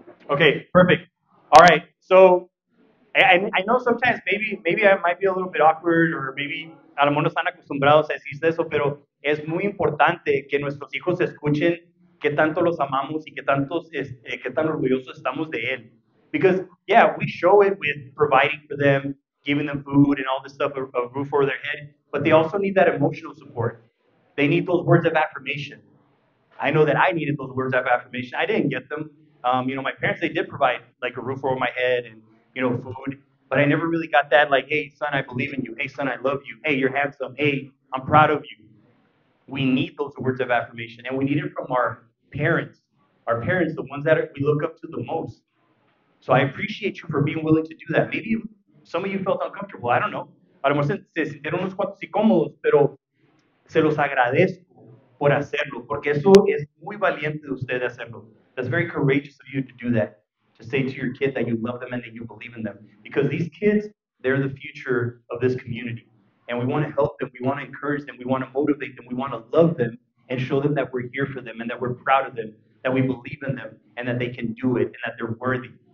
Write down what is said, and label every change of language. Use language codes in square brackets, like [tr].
[en] Okay, perfect. All right. So I know sometimes maybe I might be a little bit awkward, or maybe [es] a lo mejor no están acostumbrados a decir eso, pero es muy importante que nuestros hijos escuchen qué tanto los amamos y qué tan orgullosos estamos de él. [en] Because, yeah, we show it with providing for them, giving them food and all this stuff, a roof over their head, but they also need that emotional support. They need those words of affirmation. I know that I needed those words of affirmation. I didn't get them. My parents, they did provide, like, a roof over my head and, you know, food, but I never really got that, like, hey, son, I believe in you. Hey, son, I love you. Hey, you're handsome. Hey, I'm proud of you. We need those words of affirmation, and we need it from our parents, the ones that we look up to the most. So I appreciate you for being willing to do that. Maybe some of you felt uncomfortable. I don't know. [es] A lo mejor se sintieron unos cuantos incómodos, pero se los agradezco por hacerlo, porque eso es muy valiente de usted hacerlo. [en] That's very courageous of you to do that, to say to your kid that you love them and that you believe in them. Because these kids, they're the future of this community. And we want to help them. We want to encourage them. We want to motivate them. We want to love them and show them that we're here for them and that we're proud of them, that we believe in them, and that they can do it and that they're worthy.